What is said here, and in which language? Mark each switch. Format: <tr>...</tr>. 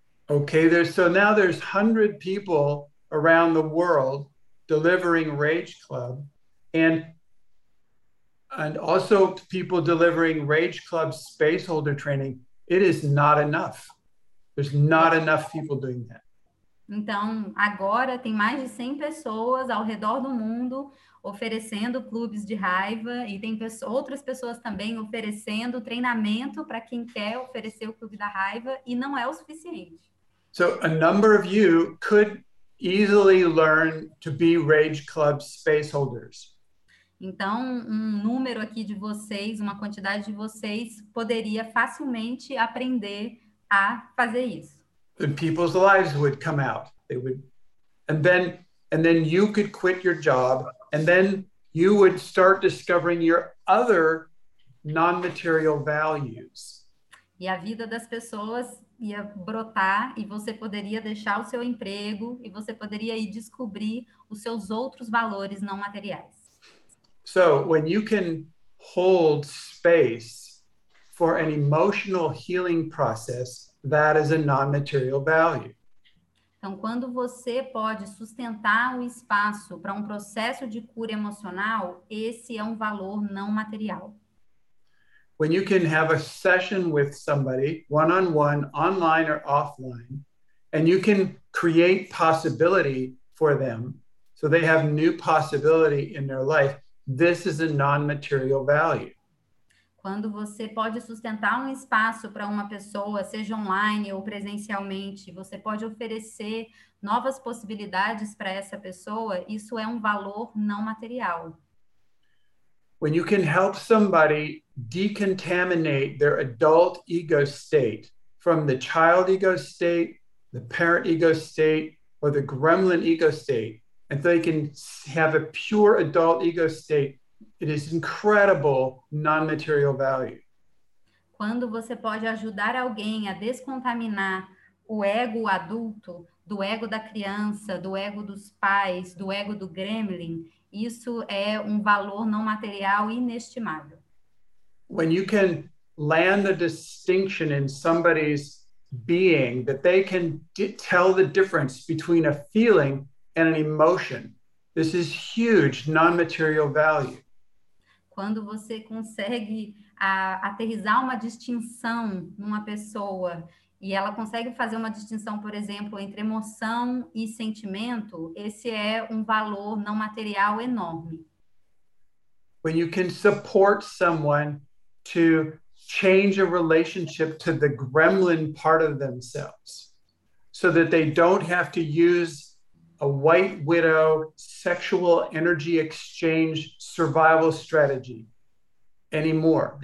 <en>Okay, so now there's 100 people around the world delivering Rage Club and also people delivering Rage Club space holder training. It is not enough. There's not enough people doing that.</en> <pt>Então, agora tem mais de 100 pessoas ao redor do mundo oferecendo clubes de raiva e tem outras pessoas também oferecendo treinamento para quem quer oferecer o clube da raiva e não é o suficiente.</pt> <en>So a number of you could easily learn to be Rage Club space holders.</en> <pt>Então, um número aqui de vocês, uma quantidade de vocês poderia facilmente aprender a fazer isso.</pt> <en>Then people's lives would come out. They would, and then you could quit your job, and then you would start discovering your other non-material values.</en> <pt>E a vida das pessoas ia brotar e você poderia deixar o seu emprego e você poderia ir descobrir os seus outros valores não materiais.</pt> <en>So, when you can hold space for an emotional healing process, that is a non-material value.</en> <pt>Então, quando você pode sustentar um espaço para um processo de cura emocional, esse é um valor não material.</pt> <en>When you can have a session with somebody, one-on-one, online or offline, and you can create possibility for them, so they have new possibility in their life, this is a non-material value.</en> <pt>Quando você pode sustentar um espaço para uma pessoa, seja online ou presencialmente, você pode oferecer novas possibilidades para essa pessoa, isso é um valor não material.</pt> <en>When you can help somebody decontaminate their adult ego state from the child ego state, the parent ego state, or the gremlin ego state, and they can have a pure adult ego state, it is incredible non-material value.</en> <pt>Quando você pode ajudar alguém a descontaminar o ego adulto, do ego da criança, do ego dos pais, do ego do gremlin, isso é um valor não material inestimável.</pt> <en>When you can land a distinction in somebody's being, that they can tell the difference between a feeling and an emotion, this is huge non-material value.</en> <pt>Quando você consegue aterrizar uma distinção numa pessoa e ela consegue fazer uma distinção, por exemplo, entre emoção e sentimento, esse é um valor não material enorme.</pt> <en>When you can support someone to change a relationship to the gremlin part of themselves, so that they don't have to use a white widow sexual energy exchange survival strategy anymore.</en>